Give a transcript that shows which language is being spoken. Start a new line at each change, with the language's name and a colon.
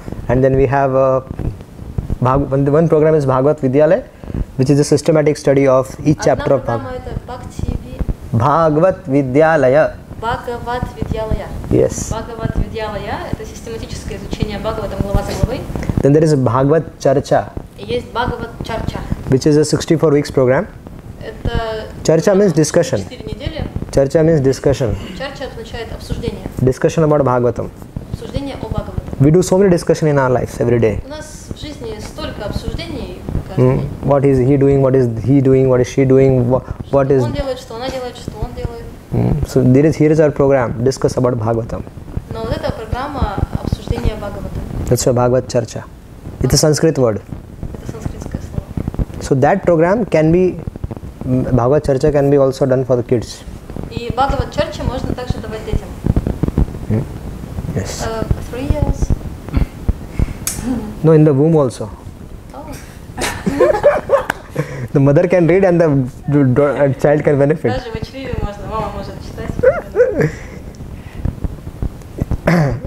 English: And then we have one program is Bhagavat Vidyalaya, which is a systematic study of each chapter of Bhagavat Vidyalaya. Bhagavat Vidyalaya. Yes. Bhagavat Vidyalaya.
Russian: Это систематическое изучение Бхагаватам глава за главой.
English: Then there is a Bhagavat Charcha.
Russian: Есть Bhagavat Charcha.
English: Which is a 64 weeks program.
Russian: Это
English: Charcha means discussion.
Russian: 4 недели.
English: Charcha means discussion.
Russian: Charcha означает обсуждение.
English: Discussion about Bhagavatam.
Russian: Обсуждение о Бхагаватам.
English: We do so many discussion in our lives every day.
Russian: У нас в жизни столько обсуждений.
English: What is he doing? What is he doing? What is she doing? What is?
Russian: Он делает, что она делает, что он делает.
English: So here is our program. Discuss about Bhagavatam.
Russian: Но вот эта программа обсуждения Бхагавата.
English: That's why Bhagavat Charcha. It's a Sanskrit word.
Russian: Это санскритское слово.
English: So that program can be Bhagavat Charcha can be also done for the kids.
Russian: И Бхагавата Чарча можно также давать детям.
English: Yes. 3 years. No, in the womb also. The mother can read and the child can benefit.
Russian: Даже в чреве можно, мама может читать.